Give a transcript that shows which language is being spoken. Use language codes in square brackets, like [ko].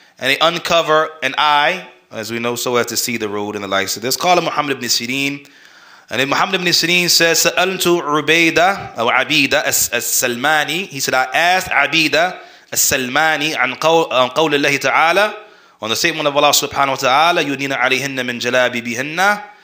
[en] And they uncover an eye, as we know, so as to see the road and the likes of this. [ar] قَالَ مُحَمَّدُ بْنِ سِرِينَ. [en] And then Muhammad ibn Sirin says, [ar] سَأَلْتُ عُبَيْدَ أَوْ عَبِيدَ السَّلْمَانِ. [en] He said, I asked Abida [ar] السلماني عن قول الله تعالى [en] on the statement of Allah subhanahu wa ta'ala [ar] يدين عليهن من جلابي بهن.